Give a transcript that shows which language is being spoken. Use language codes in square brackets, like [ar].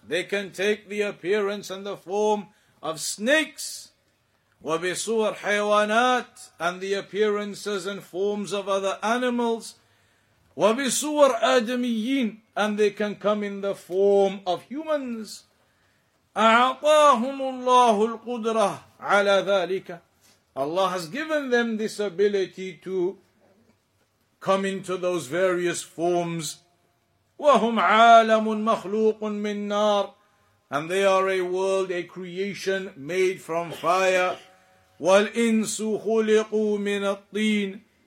[en] They can take the appearance and the form of snakes. [ar] وبصور حيوانات. [en] And the appearances and forms of other animals. [ar] وبصور آدميين. [en] And they can come in the form of humans. [ar] أعطاهم الله القدرة على ذلك. [en] Allah has given them this ability to come into those various forms. [ar] وَهُمْ عَالَمٌ مَخْلُوقٌ مِنْ نَارٍ. [en] And they are a world, a creation made from fire. [ar] وَالْإِنسُ خُلِقُوا مِنَ الطِّينِ.